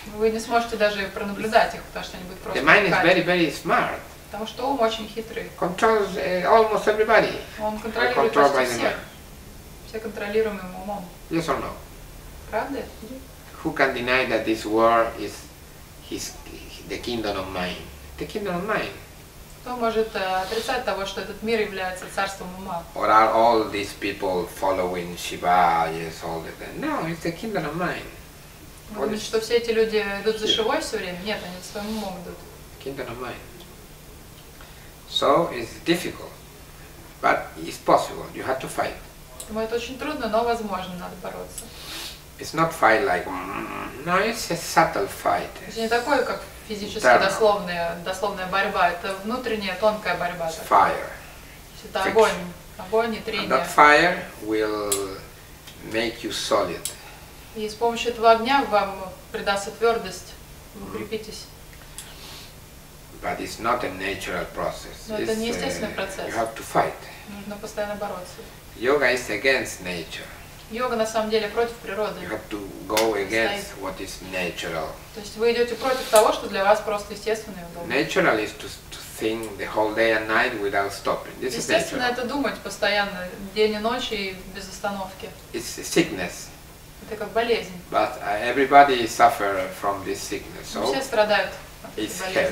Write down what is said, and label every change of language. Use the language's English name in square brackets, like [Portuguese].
[Russian] Вы не сможете даже пронаблюдать их, потому что они будут просто. [English] The mind is very, very smart. [Russian] Потому что ум очень хитрый. [English] Controls almost everybody. [Russian] Он контролирует почти всех. Все контролируемым умом. [English] Yes or no? [Russian] Правда? [English] Who can deny that this world is the kingdom of mind? The kingdom of mind. [Russian] Кто может отрицать того, что этот мир является царством ума? [English] Or are all these people following Shiva? Yes, all of them. No, it's the kingdom of mind. [Russian] Думаете, что все эти люди идут за Шивой все время? Нет, они своим умом идут. [English] Kingdom of mind. So it's difficult, but it's possible. You have to fight. [Russian] Думаю, это очень трудно, но возможно, надо бороться. [English] It's not fight like no, it's a subtle fight. [Russian] Это не такое, как физически дословная борьба. Это внутренняя тонкая борьба. [English] It's fire. [Russian] Это огонь и трение. [English] And that fire will make you solid. [Russian] И с помощью этого огня вам придастся твердость. Вы укрепитесь. [English] But it's not a natural process. [Russian] Но это не естественный процесс. [English] You have to fight. [Russian] Нужно постоянно бороться. [English] Yoga is against nature. [Russian] Йога на самом деле против природы. [English] You have to go against what is natural. [Russian] То есть вы идете против того, что для вас просто естественно и удобно. [English] Natural is to think the whole day and night without stopping. This [Russian] естественно, [English] is natural. [Russian] Это думать постоянно, день и ночь и без остановки. [English] It's a sickness. [Russian] Это как болезнь. [English] But everybody suffers from this sickness. So [Russian] все страдают от этой болезни.